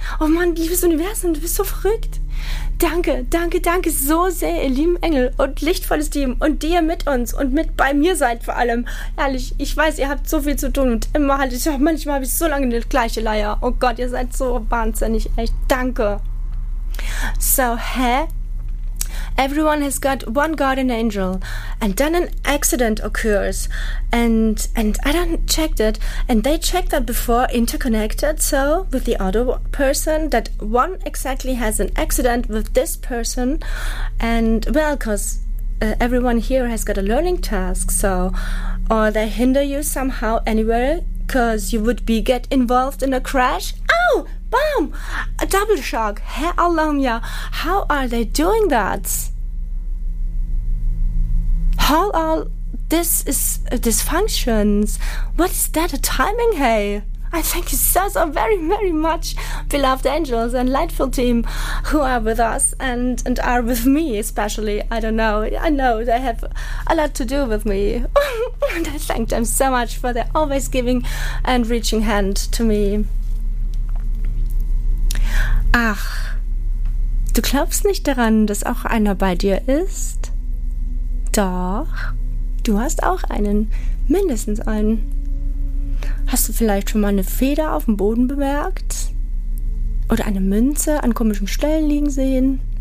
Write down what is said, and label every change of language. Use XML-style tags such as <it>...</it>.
<de>Oh Mann, liebes Universum, du bist so verrückt. Danke, danke, danke so sehr, ihr lieben Engel und lichtvolles Team und die ihr mit uns und mit bei mir seid vor allem. Ehrlich, ich weiß, ihr habt so viel zu tun und immer halt, manchmal habe ich so lange die gleiche Leier. Oh Gott, ihr seid so wahnsinnig, echt, danke. So, hä?</de> <en>Everyone has got one guardian angel, and then an accident occurs, and I don't checked it, and they checked that before interconnected, so with the other person, that one exactly has an accident with this person, and well, because everyone here has got a learning task, so, or they hinder you somehow anywhere, because you would be get involved in a crash. Ow! Boom! A double shock. Hey, Alamya, how are they doing that? How all this is dysfunctions? What is that a timing, hey? I thank you so, so very, very much, beloved angels and lightful team who are with us and are with me especially. I don't know. I know they have a lot to do with me. And I thank them so much for their always giving and reaching hand to me.</en> <de>Ach, du glaubst nicht daran, dass auch einer bei dir ist? Doch, du hast auch einen, mindestens einen. Hast du vielleicht schon mal eine Feder auf dem Boden bemerkt? Oder eine Münze an komischen Stellen liegen sehen?</de>